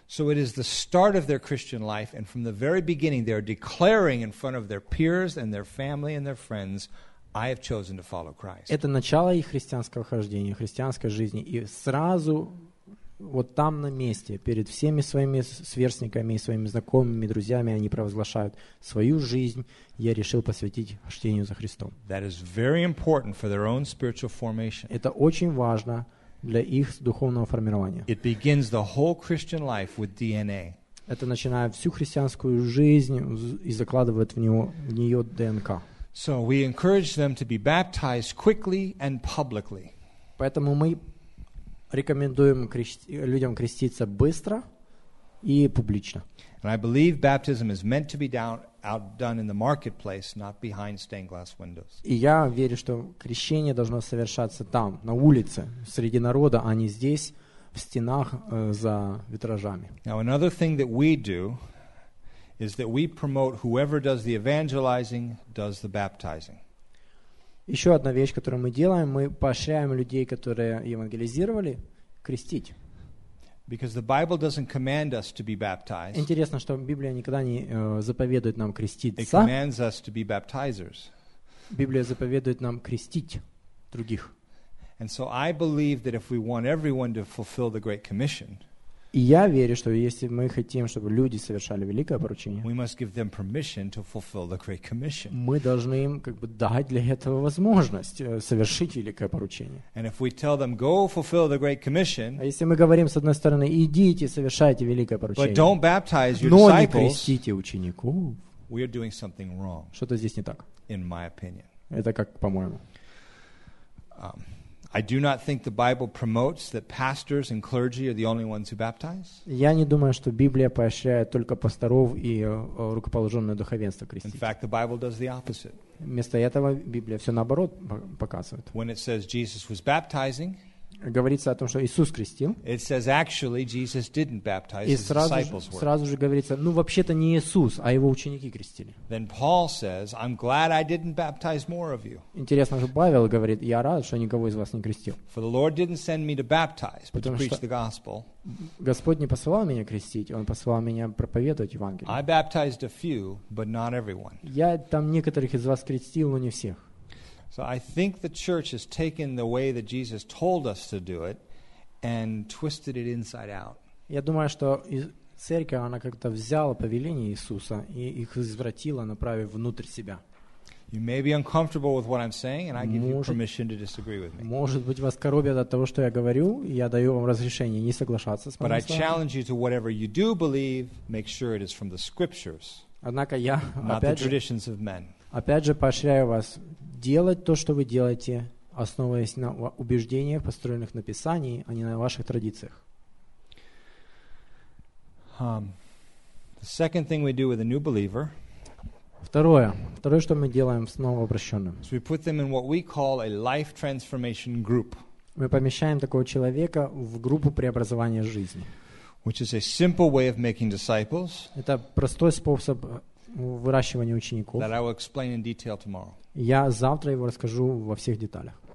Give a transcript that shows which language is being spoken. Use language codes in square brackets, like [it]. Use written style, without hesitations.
[en] So it is the start of their Christian life, and from the very beginning they are declaring in front of their peers and their family and their friends, I have chosen to follow Christ. [ru] Это начало их христианского хождения, христианской жизни, и сразу вот там на месте, перед всеми своими сверстниками и своими знакомыми, друзьями, они провозглашают свою жизнь, я решил посвятить хождению за Христом. [en] That is very important for their own spiritual formation. [ru] Это очень важно для их духовного формирования. [en] It begins the whole Christian life with DNA. [ru] Это начинает всю христианскую жизнь и закладывает в нее ДНК. [en] So we encourage them to be baptized quickly and publicly. [ru] Поэтому мы рекомендуем людям креститься быстро и публично. [en] And I believe baptism is meant to be outdone in the marketplace, not behind stained glass windows. [ru] И я верю, что крещение должно совершаться там, на улице, среди народа, а не здесь, в стенах, за витражами. [en] Now another thing that we do is that we promote whoever does the evangelizing does the baptizing. [ru] Еще одна вещь, которую мы делаем, мы поощряем людей, которые евангелизировали, крестить. [en] Because the Bible doesn't command us to be baptized. [ru] Интересно, что Библия никогда не заповедует нам креститься. [en] It commands us to be baptizers. [ru] Библия заповедует нам крестить других. [en] And so I believe that if we want everyone to fulfill the Great Commission, [ru] и я верю, что если мы хотим, чтобы люди совершали великое поручение, [en] we must give them permission to fulfill the Great Commission. [ru] Мы должны им как бы дать для этого возможность совершить великое поручение. [en] And if we tell them go fulfill the Great Commission, [ru] а если мы говорим с одной стороны, идите совершайте великое поручение, [en] but don't baptize your [ru] но [en] disciples, [ru] не крестите учеников, [en] we are doing something wrong. [ru] Что-то здесь не так. [en] In my opinion. [ru] Это как по-моему. [en] I do not think the Bible promotes that pastors and clergy are the only ones who baptize. [ru] Я не думаю, что Библия поощряет только пасторов и рукоположенное духовенство крестить. [en] In fact, the Bible does the opposite. [ru] Вместо этого Библия все наоборот показывает. [en] When it says Jesus was baptizing, [ru] говорится о том, что Иисус крестил. [en] It says actually Jesus didn't baptize, his disciples were. [ru] И сразу же говорится, ну вообще-то не Иисус, а его ученики крестили. [en] Then Paul says, I'm glad I didn't baptize more of you. [ru] Интересно, что Павел говорит, я рад, что никого из вас не крестил. [en] For the Lord didn't send me to baptize, but to preach the gospel. [ru] Господь не посылал меня крестить, он посылал меня проповедовать Евангелие. [en] I baptized a few, but not everyone. [ru] Я там некоторых из вас крестил, но не всех. [en] So I think the church has taken the way that Jesus told us to do it and twisted it inside out. [ru] Я думаю, что церковь она как-то взяла повеление Иисуса и их извратила, направив внутрь себя. [en] You may be uncomfortable with what I'm saying, and I give you permission to disagree with me. [ru] Может быть, вас коробят от того, что я говорю, и я даю вам разрешение не соглашаться с моими словами. [en] But I challenge you to whatever you do believe, make sure it is from the Scriptures. [ru] Однако я [en] not the traditions of men. [ru] Опять же, поощряю вас делать то, что вы делаете, основываясь на убеждениях, построенных на Писании, а не на ваших традициях. [en] The second thing we do with a new believer, [ru] второе, что мы делаем с новообращенным, [en] is we put them in what we call a life transformation group. [ru] Мы помещаем такого человека в группу преобразования жизни. [en] Which is a simple way of making disciples. [ru] Это простой способ выращивания учеников. [en] That I will explain in detail tomorrow. [ru] Я завтра его расскажу во всех деталях.